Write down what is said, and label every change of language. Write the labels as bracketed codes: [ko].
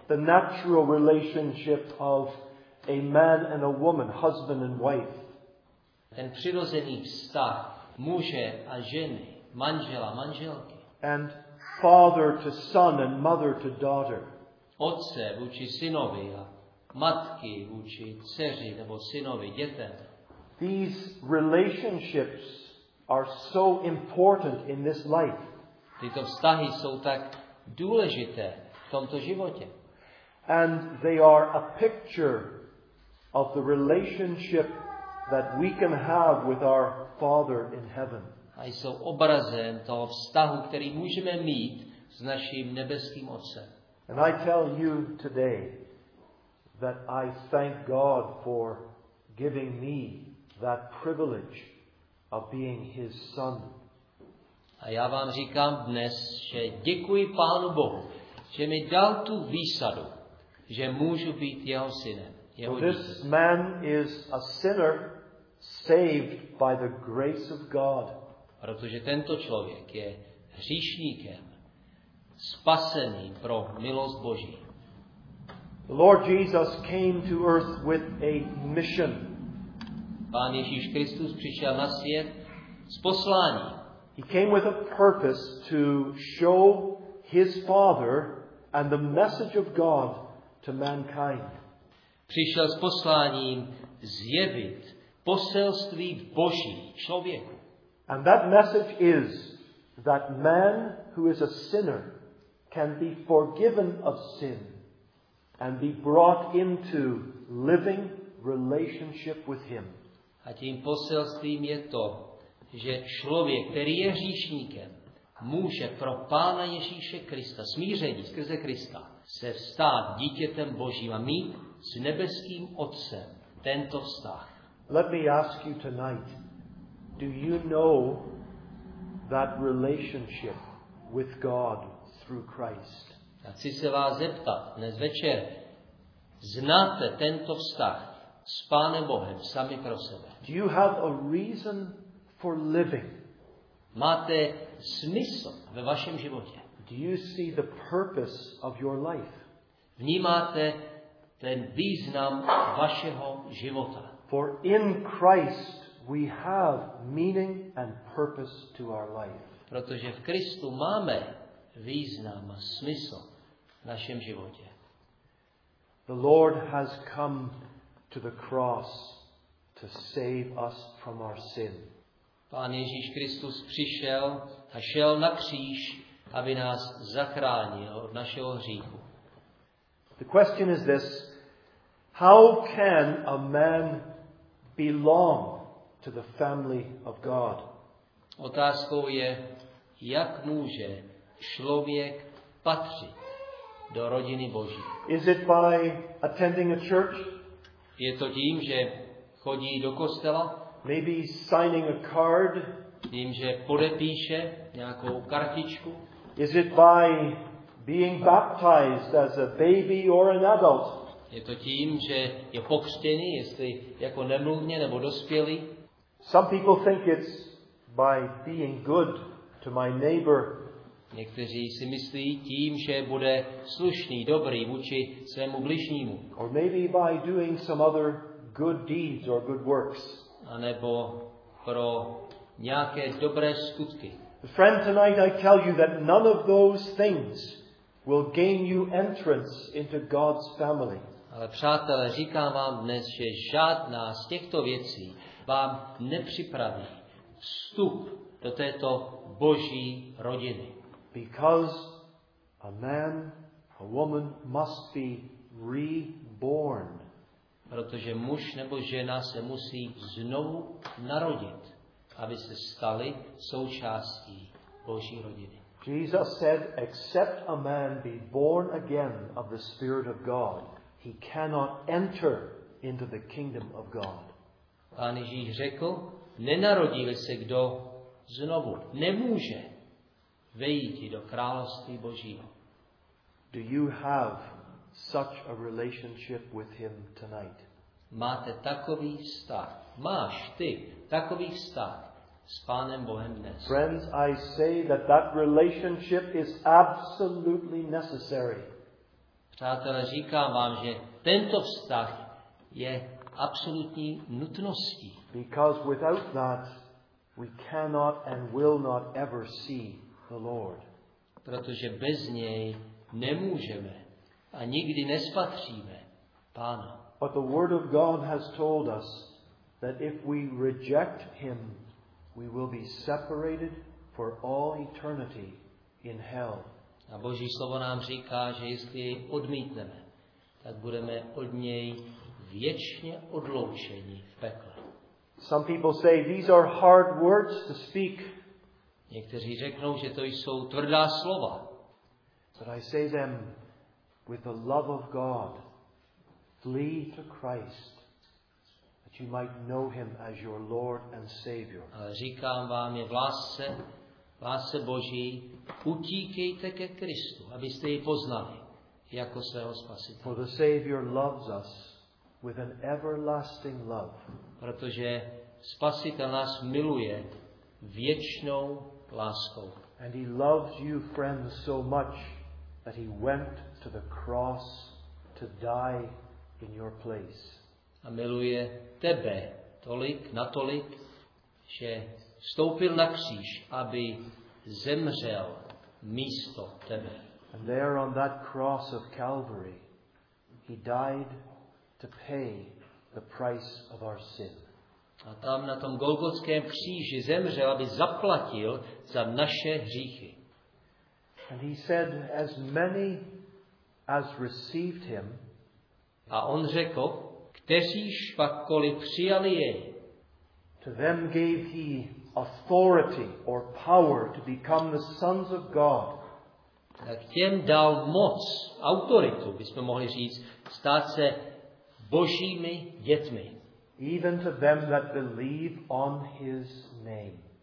[en] The natural relationship of a man and a woman, husband and wife. [cs] Ten přirozený vztah muže a ženy, manžela, manželky. [en] And father to son and mother to daughter. [cs] Otce vůči synovi a matky vůči dceři nebo synovi, dětem. [en] These relationships are so important in this life. [cs] Tyto vztahy jsou tak důležité v tomto životě. [en] And they are a picture of the relationship that we can have with our Father in heaven. [cs] A jsou obrazem toho vztahu, který můžeme mít s naším nebeským Otcem. [en] And I tell you today that I thank God for giving me that privilege of being his son. [cs] A já vám říkám dnes, že děkuji Pánu Bohu, že mi dal tu výsadu, že můžu být jeho synem, jeho dítě. [en] This man is a sinner saved by the grace of God. [cs] Protože tento člověk je hříšníkem, spasený pro milost Boží. [en] The Lord Jesus came to earth with a mission. [cs] Pán Ježíš Kristus přišel na svět s posláním. [en] He came with a purpose to show his Father and the message of God to mankind. [cs] Přišel s posláním zjevit poselství Boží člověku. [en] And that message is that man who is a sinner can be forgiven of sin and be brought into living relationship with him. [cs] A tím poselstvím je to, že člověk, který je hříšníkem, může pro Pána Ježíše Krista, smíření skrze Krista, se stát dítětem Božím a mít s nebeským Otcem tento vztah. [en] Let me ask you tonight, do you know that relationship with God through Christ? [cs] Já chci se vás zeptat dnes večer, znáte tento vztah s Pánem Bohem sami pro sebe? [en] Do you have a reason for living? [cs] Máte smysl ve vašem životě? [en] Do you see the purpose of your life? [cs] vnímáte ten význam vašeho života. [en] For in Christ we have meaning and purpose to our life. [cs] Protože v Kristu máme význam a smysl v našem životě. [en] The Lord has come to the cross to save us from our sin. [cs] Pán Ježíš Kristus přišel a šel na kříž, aby nás zachránil od našeho hříchu. [en] The question is this: how can a man belong to the family of God? [cs] Otázkou je, jak může člověk patřit do rodiny Boží. [en] Is it by attending a church? [cs] Je to tím, že chodí do kostela? [en] Maybe signing a card? [cs] Tím, že podepíše nějakou kartičku? [en] Is it by being baptized as a baby or an adult? [cs] Je to tím, že je pokřtěný, jestli jako nemluvně nebo dospělý? [en] Some people think it's by being good to my neighbor. [cs] Někteří si myslí tím, že bude slušný, dobrý vůči svému bližnímu. [en] Or maybe by doing some other good deeds or good works. [cs] A nebo pro nějaké dobré skutky. [en] Friend, tonight I tell you that none of those things will gain you entrance into God's family. [cs] Ale přátelé, říkám vám dnes, že žádná z těchto věcí vám nepřipraví vstup do této Boží rodiny. [en] Because a man, a woman must be reborn. [cs] Protože muž nebo žena se musí znovu narodit, aby se stali součástí Boží rodiny. [en] Jesus said, except a man be born again of the Spirit of God, he cannot enter into the kingdom of God. [cs] Pán Ježíš řekl, nenarodí se kdo znovu, nemůže vejít do království Božího. [en] Do you have such a relationship with him tonight? [cs] Máte takový vztah, máš ty takový vztah s Pánem Bohem dnes. [en] Friends, I say that that relationship is absolutely necessary. [cs] Přátelé, říkám vám, že tento vztah je absolutní nutností. [en] Because without that we cannot and will not ever see the Lord. [cs] Protože bez něj nemůžeme a nikdy nespatříme Pána. [en] But the word of God has told us that if we reject him we will be separated for all eternity in hell. [cs] A Boží slovo nám říká, že jestli jej odmítneme, tak budeme od něj věčně odloučení v pekle. [en] Some people say these are hard words to speak. [cs] Někteří řeknou, že to jsou tvrdá slova. [en] But I say them with the love of God. Flee to Christ that you might know him as your Lord and Savior. [cs] Ale říkám vám je v lásce, lásce Boží, utíkejte ke Kristu, abyste jej poznali jako svého spasitele. [en] For the Savior loves us with an everlasting love. [cs] Protože Spasitel nás miluje věčnou láskou. [en] And he loves you, friends, so much that he went to the cross to die in your place. [cs] A miluje tebe tolik, natolik, že stoupil na kříž, aby zemřel místo tebe. [en] And there on that cross of Calvary, he died to pay the price of our sin. [cs] A tam na tom Golgotském kříži zemřel, aby zaplatil za naše hříchy. [en] And he said, as many as received him. [cs] A on řekl, kteří špakkoli přijali jej. [en] To them gave he authority or power to become the sons of God. [cs] Tak těm dal moc, autoritu, bychom mohli říct, stát se Božími dětmi. [en] Even to them that believe on his name.